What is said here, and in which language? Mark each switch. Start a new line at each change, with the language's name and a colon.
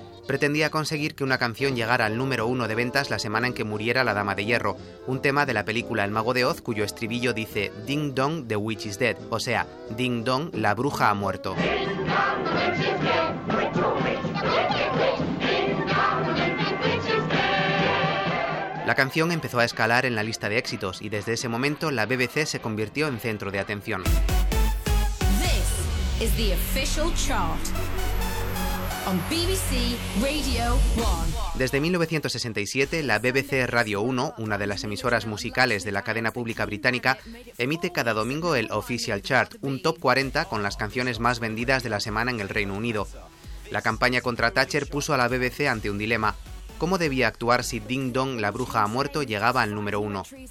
Spanish: Pretendía conseguir que una canción llegara al número uno de ventas la semana en que muriera la Dama de Hierro, un tema de la película El Mago de Oz cuyo estribillo dice
English: «Ding dong, the witch is dead»,
Spanish: o sea, «Ding dong, la bruja ha muerto». La canción empezó a escalar en la lista de éxitos y desde ese momento la BBC se convirtió en centro de atención.
English: This is the official chart on BBC Radio 1.
Spanish: Desde 1967, la BBC Radio 1, una de las emisoras musicales de la cadena pública británica, emite cada domingo el Official Chart, un top 40 con las canciones más vendidas de la semana en el Reino Unido. La campaña contra Thatcher puso a la BBC ante un dilema. ¿Cómo debía actuar si Ding Dong, la bruja ha muerto, llegaba al número uno?